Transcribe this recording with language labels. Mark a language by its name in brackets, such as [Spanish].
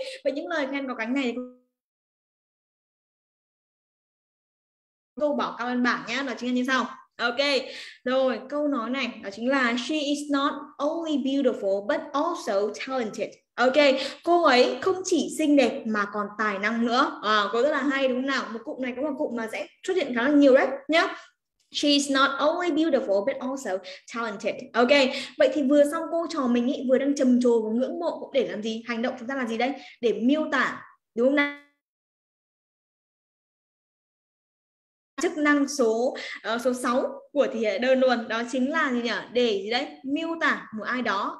[Vietnamese] Và những lời khen có cánh này cô bỏ cao lên bảng nhá, là chính là như sau. Ok, rồi câu nói này đó chính là [English] she is not only beautiful but also talented. [Vietnamese] Ok, cô ấy không chỉ xinh đẹp mà còn tài năng nữa. À, cô rất là hay đúng không nào? Một cụm này có một cụm mà sẽ xuất hiện khá là nhiều đấy nhá. [English] She is not only beautiful but also talented. [Vietnamese] Ok, vậy thì vừa xong cô trò mình ý, vừa đang trầm trồ và ngưỡng mộ cũng để làm gì? Hành động chúng ta làm gì đây? Để miêu tả đúng không nào? Chức năng số số 6 của thì đơn luôn, đó chính là gì nhỉ, để gì đấy, miêu tả một ai đó.